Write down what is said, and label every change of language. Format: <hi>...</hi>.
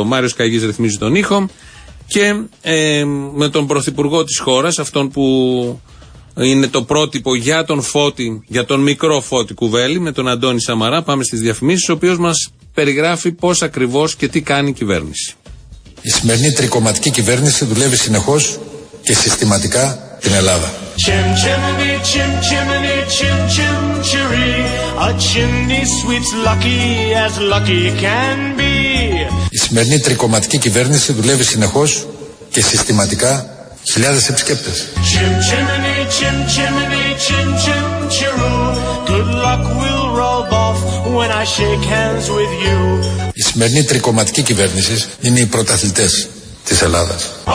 <el>Ο Μάριος Καγής ρυθμίζει τον ήχο και με τον Πρωθυπουργό της χώρας, αυτόν που είναι το πρότυπο για τον Φώτη, για τον μικρό Φώτη Κουβέλη, με τον Αντώνη Σαμαρά, πάμε στις διαφημίσεις, ο οποίος μας περιγράφει πώς ακριβώς και τι κάνει η κυβέρνηση. Η σημερινή τρικομματική κυβέρνηση δουλεύει συνεχώς και συστηματικά την Ελλάδα.</el> <en>Chim chimney, chim chimney, chim chim cheery. A chimney sweeps lucky as lucky can be.</en> <el>Η σημερινή τρικοματική κυβέρνηση δουλεύει συνεχώς και συστηματικά χιλιάδες επισκέπτες.</el> <en>Chim chimney, chim chimney, chim chim cheery. Good luck will rub off when I shake hands with you.</en> <el>Η σημερινή τρικοματική κυβέρνηση είναι οι πρωταθλητές της Ελλάδας.</el>